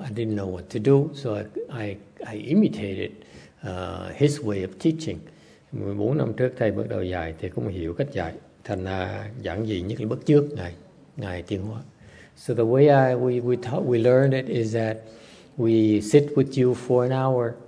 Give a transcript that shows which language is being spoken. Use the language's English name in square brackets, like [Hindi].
[English] I didn't know what to do, so I imitated his way of teaching. [Vietnamese] 14 năm trước thầy bắt đầu dạy thì cũng hiểu cách dạy, thành ra giảng gì nhất là bắt chước ngài Tuyên Hóa. [English] So the way we learned it is that we sit with you for an hour.